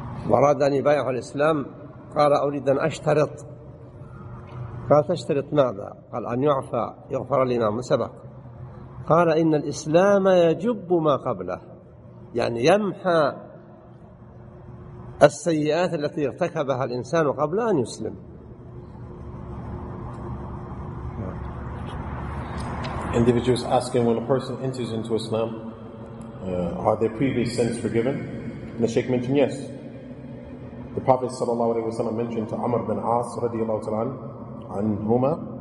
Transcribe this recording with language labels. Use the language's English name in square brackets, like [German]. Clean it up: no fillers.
[Arabic] وأراد أن يبايع الإسلام قال أريد أن أشترط قال تشترط ماذا؟ قال أن يغفر لي ما سبق قال إن الإسلام يجب ما قبله يعني يمحى السيئات التي ارتكبها الإنسان قبل أن يسلم. [English] Individuals asking when a person enters into Islam, are their previous sins forgiven? And the Shaykh mentioned yes. The Prophet صلى الله عليه وسلم mentioned to Amr bin As رضي الله تعالى عنهما.